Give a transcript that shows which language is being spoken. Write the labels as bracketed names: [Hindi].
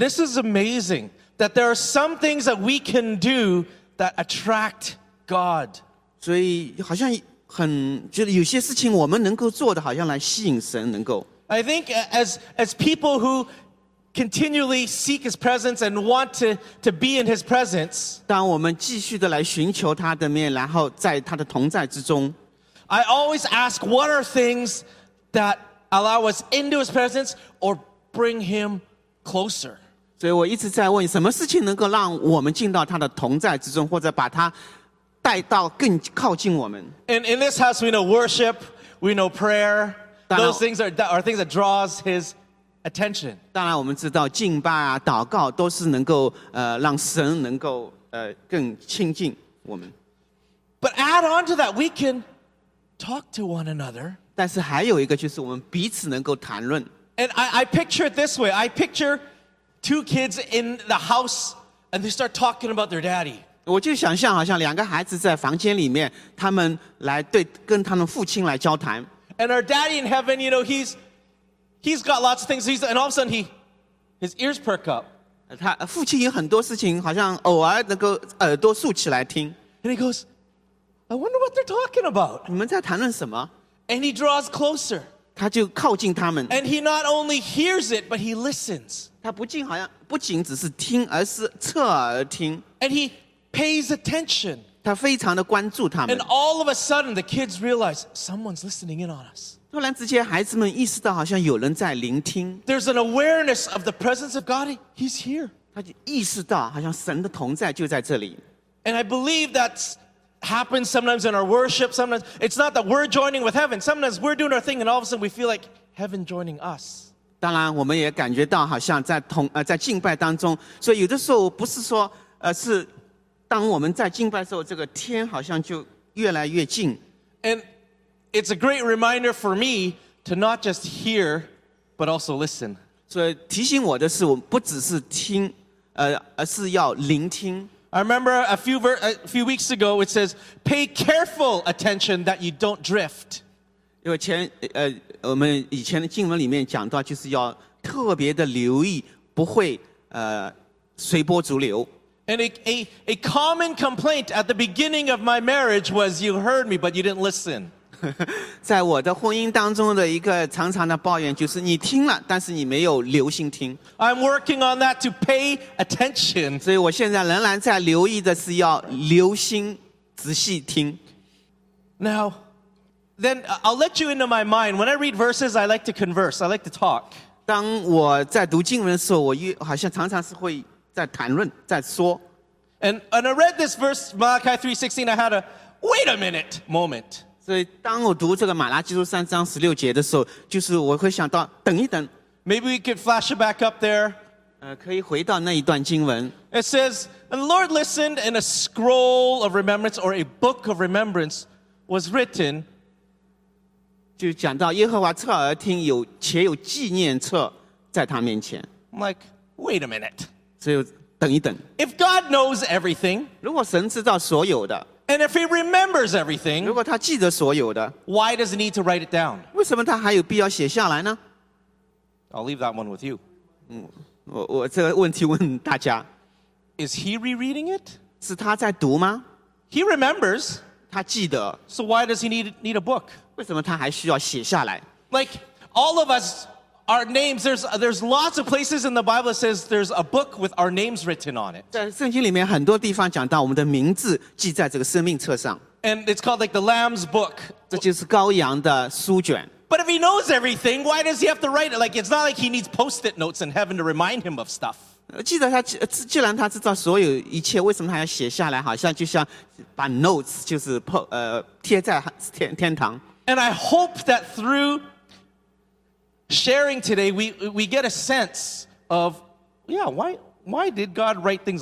[English] this is amazing that there are some things that we can do that attract God. [Chinese] 所以好像很就是有些事情我们能够做的，好像来吸引神能够。 [English] I think as people who continually seek his presence and want to be in his presence. [Chinese] 当我们继续的来寻求他的面，然后在他的同在之中。 [English] I always ask, what are things that allow us into his presence or bring him closer? [Chinese] 所以我一直在问，什么事情能够让我们进到他的同在之中，或者把他带到更靠近我们？ [English] And in this house, we know worship, we know prayer. Those things are things that draws his attention. [Chinese] 当然，我们知道敬拜啊、祷告都是能够让神能够更亲近我们。 [English] But add on to that, we can talk to one another. [Chinese] 但是还有一个就是我们彼此能够谈论。 [English] And I picture it this way. I picture two kids in the house, and they start talking about their daddy. [Chinese] 我就想象好像两个孩子在房间里面，他们来对跟他们父亲来交谈。 [English] And our daddy in heaven, you know, he's got lots of things. And all of a sudden, his ears perk up. [Chinese] 他父亲有很多事情，好像偶尔能够耳朵竖起来听。 [English] And he goes, I wonder what they're talking about. [Chinese] 你们在谈论什么？ [English] And he draws closer. [Chinese] 他就靠近他们。 [English] And he not only hears it, but he listens. [Chinese] 他不仅只是听，而是侧耳听。 [English] And he pays attention. [Chinese] 他非常的关注他们。 [English] And all of a sudden, the kids realize someone's listening in on us. [Chinese] 突然之间，孩子们意识到好像有人在聆听。 [English] There's an awareness of the presence of God. He's here. [Chinese] 他就意识到好像神的同在就在这里。 [English] And I believe that's... happens sometimes in our worship, sometimes it's not that we're joining with heaven, sometimes we're doing our thing and all of a sudden we feel like heaven joining us. [Chinese] 当然我们也感觉到好像在敬拜当中，所以有的时候不是说是当我们在敬拜的时候，这个天好像就越来越近。 [English] And it's a great reminder for me to not just hear but also listen. [Chinese] 所以提醒我的是，我不只是听而是要聆听。 [English] I remember a few weeks ago, it says, pay careful attention that you don't drift. [Chinese] 因为我们以前的经文里面讲到就是要特别的留意不会随波逐流。 [English] And a common complaint at the beginning of my marriage was, you heard me, but you didn't listen. [Chinese] 在我的婚姻当中的一个常常的抱怨就是你听了但是你没有留心听。 [English] I'm working on that to pay attention. [Chinese] 所以我现在仍然在留意的是要留心仔细听。 [English] Now, then I'll let you into my mind. When I read verses, I like to converse. I like to talk. [Chinese] 当我在读经文的时候，我好像常常是会在谈论，在说。 [English] And I read this verse, Malachi 3:16, I had a wait a minute moment. [Chinese] 所以当我读这个马拉基书三章十六节的时候，就是我会想到等一等。 [English] Maybe we could flash it back up there. [Chinese] 可以回到那一段经文。 [English] It says, and the Lord listened, and a scroll of remembrance or a book of remembrance was written. [Chinese] 就讲到耶和华侧耳听，有且有纪念册在他面前。 [English] I'm like, wait a minute. [Chinese] 所以等一等。 [English] If God knows everything, [Chinese] 如果神知道所有的， [English] And if he remembers everything, [Chinese] 如果他记得所有的, [English] why does he need to write it down? [Chinese] 为什么他还有必要写下来呢? [English] I'll leave that one with you. [Chinese] 我这个问题问大家。 [English] Is he rereading it? [Chinese] 是他在读吗? [English] He remembers. [Chinese] 他记得。 [English] So why does he need a book? [Chinese] 为什么他还需要写下来? [English] Like all of us, our names, there's lots of places in the Bible that says there's a book with our names written on it. [Chinese] 在圣经里面很多地方讲到我们的名字记在这个生命册上。 [English] And it's called like the Lamb's book. [Chinese] 这就是羔羊的书卷。 [English] But if he knows everything, why does he have to write it? Like, it's not like he needs post-it notes in heaven to remind him of stuff. [Chinese] 记得他，既然他知道所有一切，为什么他要写下来？好像就像把 notes 就是贴在天堂。 [English] And I hope that through... sharing today, we get a sense of, yeah, why did God write things?